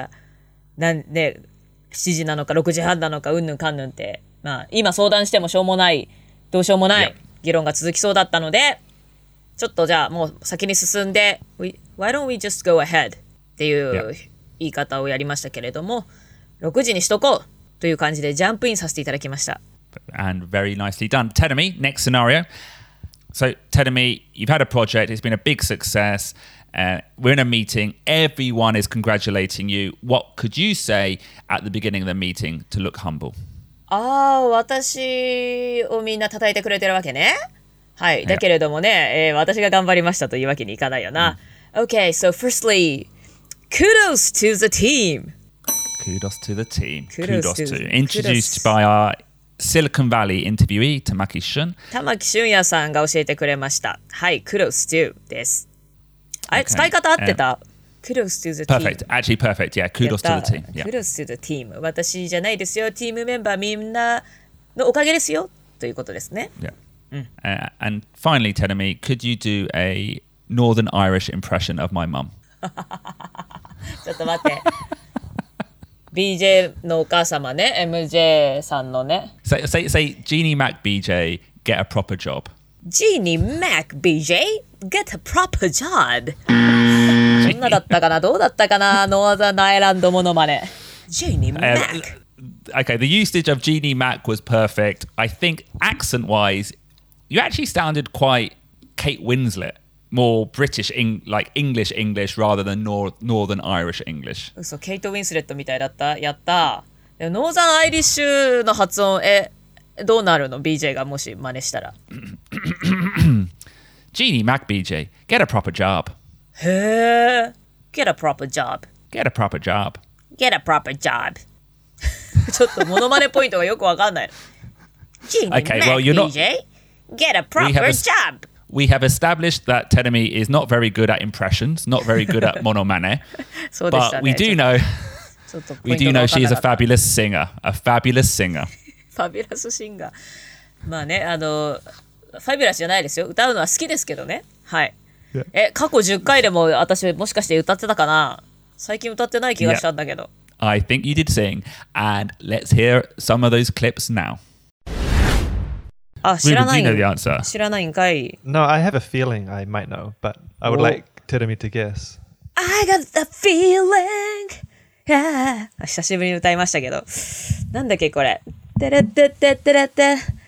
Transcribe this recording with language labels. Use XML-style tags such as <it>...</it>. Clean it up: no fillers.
<ja>なんかね、わちゃわちゃ、7時なのか6時半なのか、うんぬんかんぬんって。まあ、今相談してもしょうもない。どうしようもない。</ja> <en>Yep.</en> <ja>議論が続きそうだったのでちょっとじゃあもう先に進んで</ja> <en>Why don't we just go ahead?</en> <ja>っていう言い方をやりましたけれども6時にしとこうという感じでジャンプインさせていただきました</ja> <en>And very nicely done Tell me, next scenario So tell me, you've had a project, it's been a big successWe're in a meeting, everyone is congratulating you. What could you say at the beginning of the meeting to look humble?</en> <ja>Ah, 私をみんな叩いてくれてるわけね。はい、だけれどもね、私が頑張りましたというわけにいかないよな。</ja> <en>Okay, so firstly, kudos to the team. Kudos to the team. Kudos to. Introduced by our Silicon Valley interviewee, Tamaki Shun.</en> <ja>Tamaki Shunya さんが教えてくれました。はい、kudos to です。Okay. 使い方合ってた</ja> <en>Kudos to the team. Perfect. Actually perfect. Yeah. Kudos to the team. Yeah. Kudos to the team.</en> <ja>私じゃないですよ。チームメンバーみんなのおかげですよ。ということですね。</ja> <en>Yeah. And finally, tell me, could you do a Northern Irish impression of my mum?</en> <ja>ちょっと待って。BJ のお母様ね。 MJ さんのね。</ja> <en>Say, Jeannie Mac BJ, get a proper job. Jeannie Mac BJ get a proper job</en> <ja>そんなだったかなどうだったかなノーザンアイランドモノマネ Jeannie Mac</ja> <en>Okay, the usage of Jeannie Mac was perfect I think accent wise You actually sounded quite Kate Winslet More British, like English English rather than Northern Irish English</en> <ja>嘘、ケイト・ウィンスレットみたいだったやったでもノーザンアイリッシュの発音どうなるの BJ がもし真似したら</ja> <en>Geannie Mac BJ, get a proper job. へぇ Get a proper job. Get a proper job. Get a proper job.</en> <ja>ちょっとモノマネポイントがよくわかんない。</ja> <en>Geannie okay, Mac well, you're BJ, get a proper job. We have established that Tenemi is not very good at impressions, not very good at モノマネ</en> <ja>そうでしたね。</ja> <en>But we do know, we do know she is a fabulous singer. A fabulous singer. Fabulous singer.</en> <ja>まあね、ファイブラスじゃないですよ。歌うのは好きですけどね。はい。</ja> <en>Yeah.</en> <ja>過去10回でも私もしかして歌ってたかな最近歌ってない気がしたんだけど。</ja> <en>Yeah. I think you did sing. And let's hear some of those clips now.</en> <ja>あ、知らない。</ja> <en>Do you know the answer?</en> <ja>知らないんかい。</ja> <en>No, I have a feeling I might know, but I would like Tedemi to guess. I got the feeling! Yeah!</en> <ja>久しぶりに歌いましたけど。なんだっけこれ。テレッテッテッテレッテ。</ja>